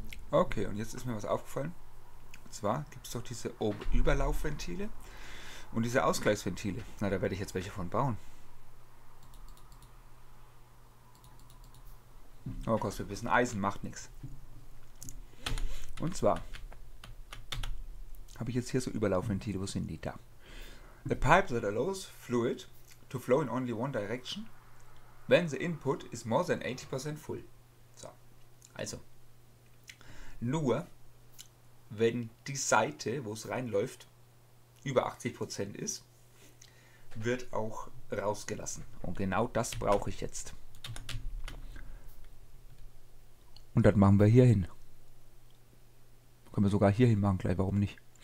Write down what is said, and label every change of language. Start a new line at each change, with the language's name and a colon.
German: Okay, und jetzt ist mir was aufgefallen. Und zwar gibt es doch diese Überlaufventile und diese Ausgleichsventile. Na, da werde ich jetzt welche von bauen. Aber kostet ein bisschen Eisen, macht nichts. Und zwar habe ich jetzt hier so Überlaufventile. Wo sind die da?
English: A pipe that allows fluid to flow in only one direction when the input is more than 80% full.
German: So. Also. Nur wenn die Seite, wo es reinläuft, über 80% ist, wird auch rausgelassen. Und genau das brauche ich jetzt. Und das machen wir hier hin. Können wir sogar hier hin machen gleich, warum nicht?